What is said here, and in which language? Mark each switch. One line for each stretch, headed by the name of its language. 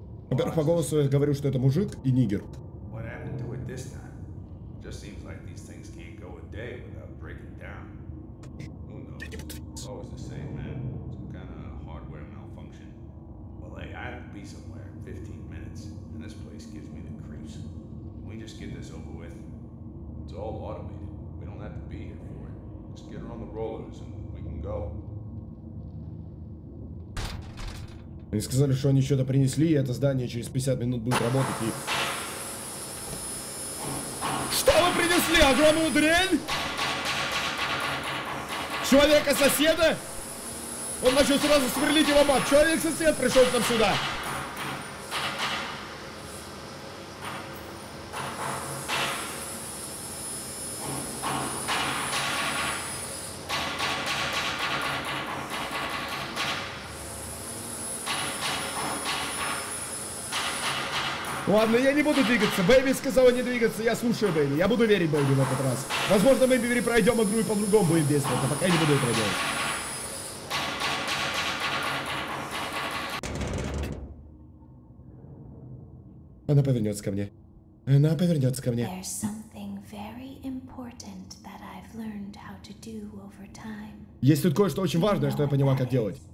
Russian: Во-первых, по голосу я говорю, что это мужик и нигер.
English: What happened to it this time? Just seems like these things can't go a day without breaking down. Who knows? It's always the same, man. Some kind of hardware malfunction. Well, hey, I have to be somewhere in 15 minutes. And this place gives me the creeps. Can we just get this over with? It's all automated. We don't have to be here for it. Just get her on the rollers and we can go.
Russian: Они сказали, что они что-то принесли, и это здание через 50 минут будет работать, и... Что вы принесли? Огромную дрель? Человека-соседа? Он начал сразу сверлить его мат. Человек-сосед пришел к нам сюда. Ладно, я не буду двигаться. Бэйби сказала не двигаться. Я слушаю Бэйби. Я буду верить Бэйби в этот раз. Возможно, мы перепройдем игру и по-другому будем действовать. А пока я не буду этого делать. Она повернется ко мне. Она повернется ко мне.
English: There's something very important that I've learned how to do over time.
Russian: Есть тут кое-что очень важное, что я понимаю, как делать.